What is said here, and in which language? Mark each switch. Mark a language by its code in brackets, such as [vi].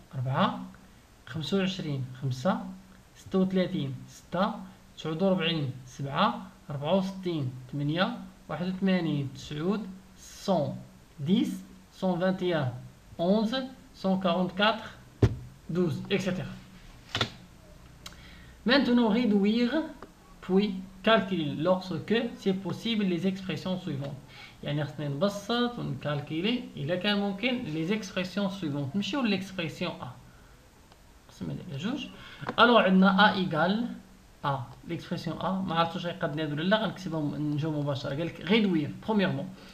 [ar] أربعة، 25 خمسة، 36 ستة، 49 سبعة، 64 ثمانية، 81 تسعود، 110 121 11 144 12 etc. [fr] Maintenant réduire puis calculer lorsque c'est possible les expressions suivantes. [ar] يعني خصنا نبسط ونكالكيلي الا كان ممكن [fr] les expressions suivantes. [ar] نمشيو للاكسبرسيون A قسمنا الى جوج. الو عندنا A ايغال A. الاكسبرسيون A ما عرفتوش غيقدنا هذو ولا لا، غنكتبها نجاو مباشره. قال لك غيدوير بروميرمون.